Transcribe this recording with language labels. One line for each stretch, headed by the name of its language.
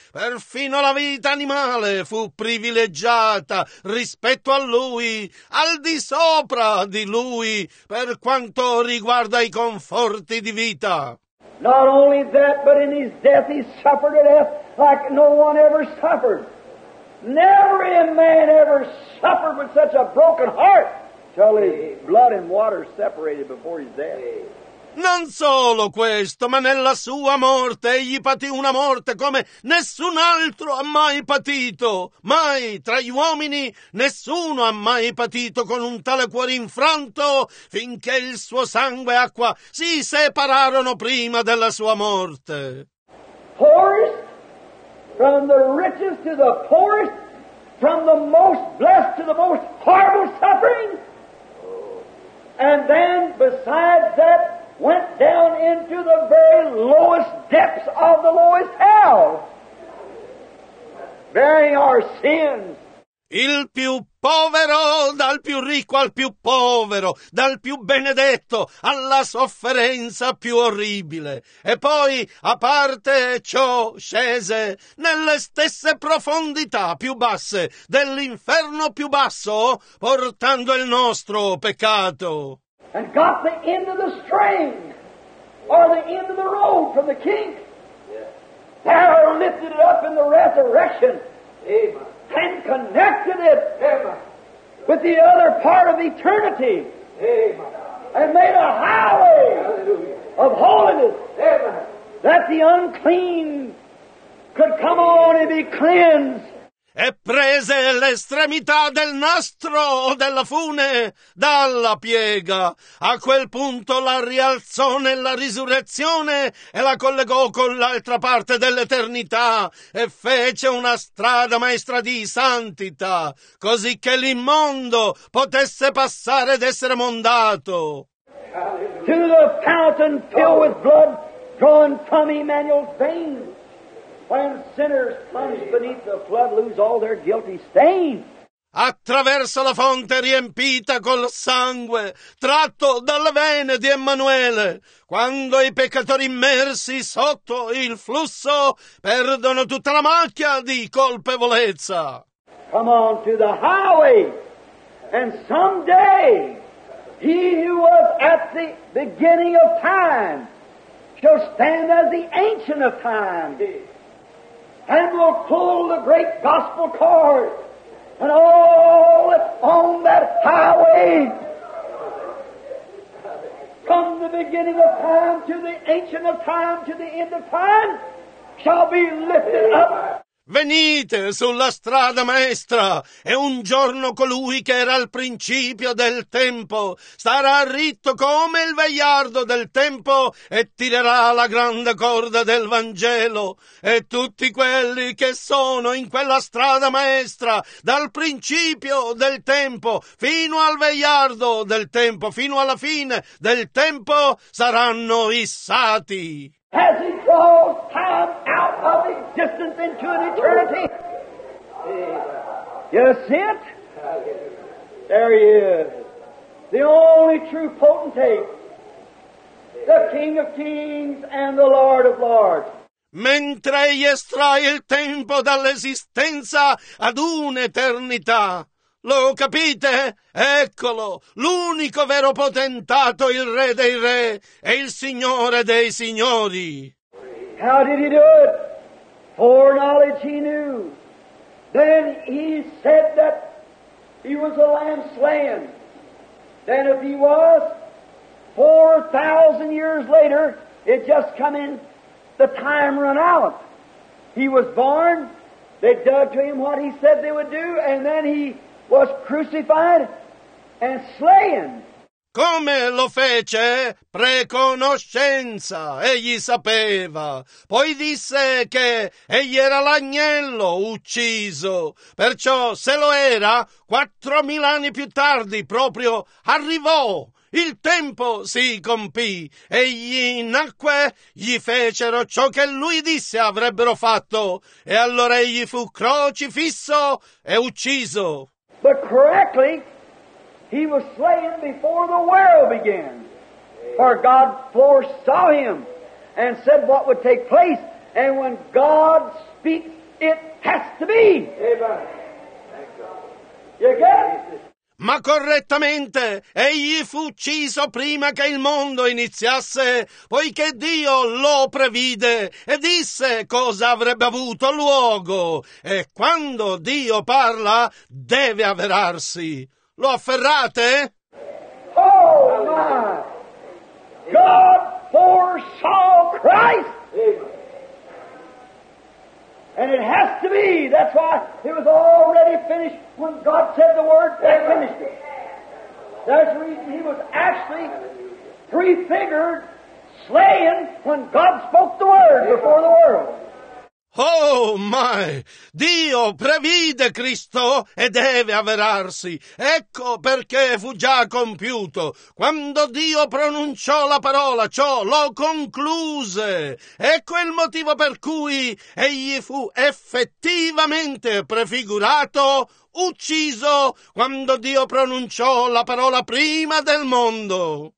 Italian: Perfino la vita animale fu privilegiata rispetto a lui, al di sopra di lui, per quanto riguarda i conforti di vita.
English: Not only that, but in his death he suffered a death like no one ever suffered. Never a man ever suffered with such a broken heart till his blood and water separated before his death.
Italian: Non solo questo, ma nella sua morte egli patì una morte come nessun altro ha mai patito. Mai tra gli uomini nessuno ha mai patito con un tale cuore infranto, finché il suo sangue e acqua si separarono prima della sua morte.
English: Poorest, from the richest to the poorest, from the most blessed to the most horrible suffering, and then besides that, went down into the very lowest depths of the lowest hell, bearing our sins.
Italian: Il più povero, dal più ricco al più povero, dal più benedetto alla sofferenza più orribile. E poi, a parte ciò, scese nelle stesse profondità più basse dell'inferno più basso, portando il nostro peccato.
English: And got the end of the string, or the end of the road from the kink. Yeah. There lifted it up in the resurrection. Amen. And connected it. Amen. With the other part of eternity. Amen. And made a highway. Hallelujah. Of holiness. Amen. That the unclean could come on and be cleansed.
Italian: e prese l'estremità del nastro della fune dalla piega. A quel punto la rialzò nella risurrezione e la collegò con l'altra parte dell'eternità e fece una strada maestra di santità, così che l'immondo potesse passare ed essere mondato.
English: To the fountain filled with blood drawn from Emmanuel's veins. When sinners plunged beneath the flood lose all their guilty stains.
Italian: Attraverso la fonte riempita col sangue, tratto dalle vene di Emanuele, quando i peccatori immersi sotto il flusso perdono tutta la macchia di colpevolezza.
English: Come on to the highway, and someday he who was at the beginning of time shall stand as the ancient of time. And will pull the great gospel cord, and all on that highway, from the beginning of time to the ancient of time to the end of time, shall be lifted up.
Italian: Venite sulla strada maestra, e un giorno colui che era al principio del tempo starà ritto come il vegliardo del tempo e tirerà la grande corda del Vangelo, e tutti quelli che sono in quella strada maestra, dal principio del tempo fino al vegliardo del tempo, fino alla fine del tempo, saranno issati.
English: As he draws time out of existence into an eternity. You see it? There he is. The only true potentate. The King of Kings and the Lord of Lords.
Italian: Mentre egli estrae il tempo dall'esistenza ad un'eternità. Lo capite? Eccolo, l'unico vero potentato, il re dei re e il signore dei signori.
English: How did he do it? Foreknowledge he knew. Then he said that he was a lamb slain. Then if he was, 4,000 years later, it just come in, the time run out. He was born, they dug to him what he said they would do, and then he was crucified and slain.
Italian: Come lo fece? Preconoscenza, egli sapeva. Poi disse che egli era l'agnello ucciso. Perciò, se lo era, 4,000 anni più tardi proprio arrivò. Il tempo si compì. Egli nacque, gli fecero ciò che lui disse avrebbero fatto. E allora egli fu crocifisso e ucciso.
English: But correctly, he was slain before the world began. For God foresaw him and said what would take place. And when God speaks, it has to be. Amen. You get it?
Italian: Ma correttamente, egli fu ucciso prima che il mondo iniziasse, poiché Dio lo previde e disse cosa avrebbe avuto luogo. E quando Dio parla, deve avverarsi. Lo afferrate?
English: Oh my! God foresaw Christ! And it has to be. That's why it was already finished when God said the word and finished it. That's the reason he was actually prefigured, slain when God spoke the word before the world. Oh my!
Italian: Dio previde Cristo e deve avverarsi. Ecco perché fu già compiuto. Quando Dio pronunciò la parola, ciò lo concluse. Ecco il motivo per cui egli fu effettivamente prefigurato, ucciso, quando Dio pronunciò la parola prima del mondo.